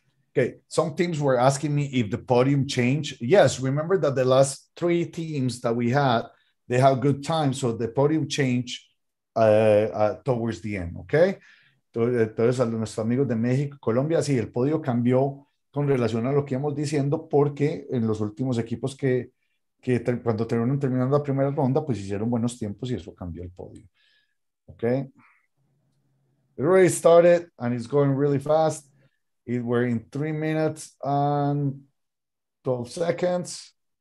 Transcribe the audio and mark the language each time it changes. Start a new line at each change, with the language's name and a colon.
English: Okay, some teams were asking me if the podium changed. Yes, remember that the last three teams that we had, they had good time, so the podium changed towards the end, okay?
Spanish: Entonces, a nuestros amigos de México, Colombia, sí, el podio cambió con relación a lo que íbamos diciendo, porque en los últimos equipos que cuando terminaron terminando la primera ronda, pues hicieron buenos tiempos y eso cambió el podio.
English: Okay. It already started and it's going really fast. It were in 3 minutes and 12 seconds.